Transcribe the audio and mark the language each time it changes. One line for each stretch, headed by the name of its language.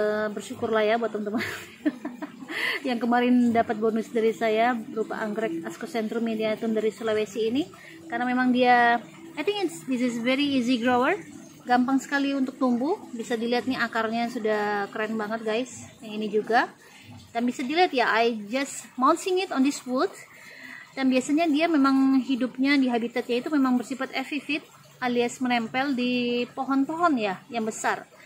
Indonesian: Bersyukurlah ya buat teman-teman yang kemarin dapat bonus dari saya berupa anggrek Ascocentrum miniatum dari Sulawesi ini. Karena memang dia,
English: I think this is very easy grower.
Indonesian: Gampang sekali untuk tumbuh. Bisa dilihat nih akarnya sudah keren banget guys. Yang ini juga. Dan bisa dilihat ya,
English: I just mulching it on this wood.
Indonesian: Dan biasanya dia memang hidupnya di habitatnya itu memang bersifat epiphyte, alias menempel di pohon-pohon ya, yang besar.